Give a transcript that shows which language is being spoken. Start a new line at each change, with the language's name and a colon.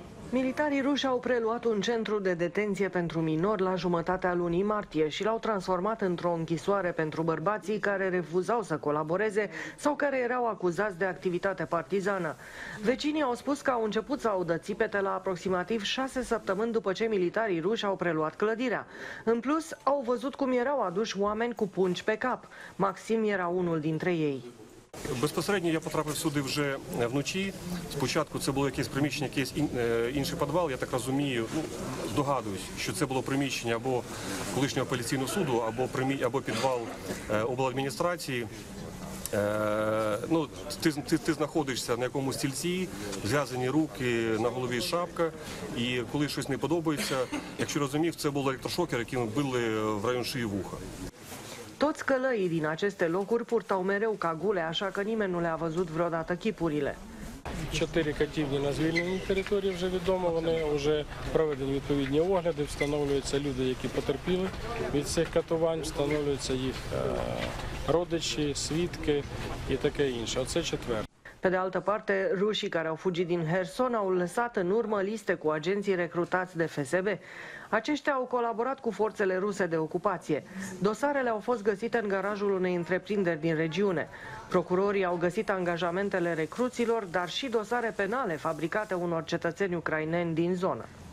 Romanian: Militarii ruși au preluat un centru de detenție pentru minori la jumătatea lunii martie și l-au transformat într-o închisoare pentru bărbații care refuzau să colaboreze sau care erau acuzați de activitate partizană. Vecinii au spus că au început să audă țipete la aproximativ 6 săptămâni după ce militarii ruși au preluat clădirea. În plus, au văzut cum erau aduși oameni cu pungi pe cap. Maxim era unul dintre ei.
Ukrainian: Безпосередньо я потрапив сюди вже вночі. Спочатку це було якесь приміщення, якесь інший підвал. Я так розумію, ну, здогадуюсь, що це було приміщення або колишнього апеляційного суду, або підвал обладміністрації. Ну, ти знаходишся на якомусь стільці, зв'язані руки, на голові шапка, і коли щось не подобається, якщо розумів, це був електрошокер, яким били в район шиї вуха.
Romanian: Toți călăii din aceste locuri purtau mereu cagule, așa că nimeni nu le-a văzut vreodată chipurile.
Ukrainian: 4 катівні на звільненій території вже відомо, вони вже проведені відповідні огляди, встановлюються люди, які потерпіли від цих катувань, встановлюються їх родичі, свідки і таке інше. Оце четверте.
Romanian: Pe de altă parte, rușii care au fugit din Herson au lăsat în urmă liste cu agenții recrutați de FSB. Aceștia au colaborat cu forțele ruse de ocupație. Dosarele au fost găsite în garajul unei întreprinderi din regiune. Procurorii au găsit angajamentele recruților, dar și dosare penale fabricate unor cetățeni ucraineni din zonă.